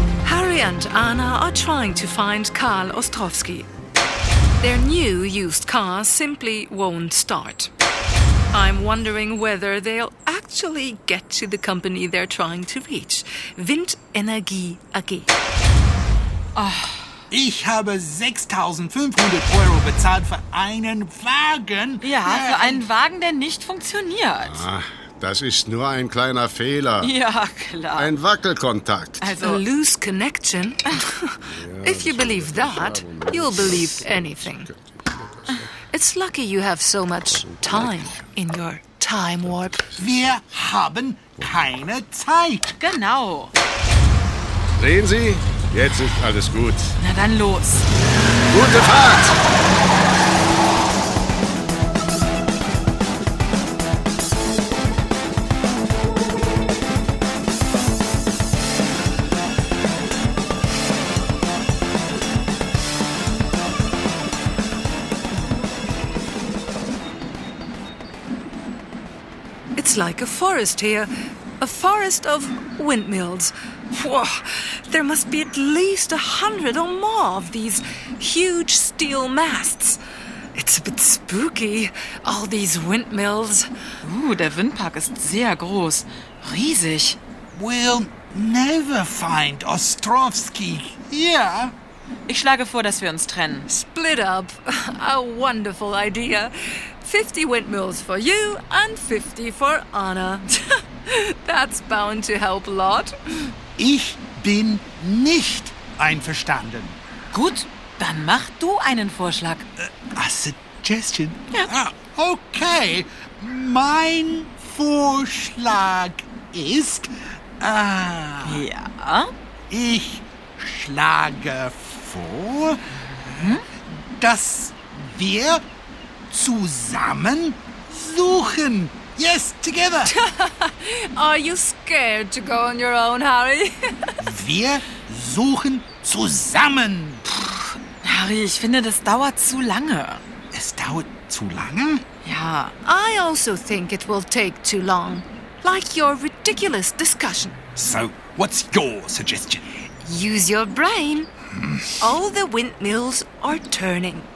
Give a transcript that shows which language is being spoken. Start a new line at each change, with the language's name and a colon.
English: Harry and Anna are trying to find Karl Ostrowski. Their new used car simply won't start. I'm wondering whether they'll actually get to the company they're trying to reach.
German: Wind Energie AG. Oh. Ich habe 6.500 Euro bezahlt für einen Wagen. Ja, für einen Wagen, der nicht funktioniert. Ah. Das ist nur ein kleiner Fehler. Ja, klar. Ein Wackelkontakt.
English: Also, a loose connection. If you believe that, you'll believe anything. It's lucky you have so much time in your time warp.
German: Wir haben keine Zeit. Genau. Sehen Sie, jetzt ist alles gut. Na dann los. Gute Fahrt.
English: Like a forest here, a forest of windmills. Whoa, there must be at least 100 or more of these huge steel masts. It's a bit spooky, all these windmills.
German: Ooh, der Windpark ist sehr groß, riesig.
English: We'll never find Ostrowski here.
German: Ich schlage vor, dass wir uns trennen.
English: Split up, a wonderful idea. 50 windmills for you and 50 for Anna. That's bound to help a lot.
German: Ich bin nicht einverstanden. Gut, dann mach du einen Vorschlag.
English: A suggestion?
German: Ja. Okay, mein Vorschlag ist... Ja? Ich schlage vor, dass wir... zusammen suchen.
English: Yes, together. Are you scared to go on your own, Harry?
German: Wir suchen zusammen. Puh, Harry, ich finde, das dauert zu lange. Es dauert zu lange? Ja.
English: I also think it will take too long. Like your ridiculous discussion. So, what's your suggestion? Use your brain. All the windmills are turning.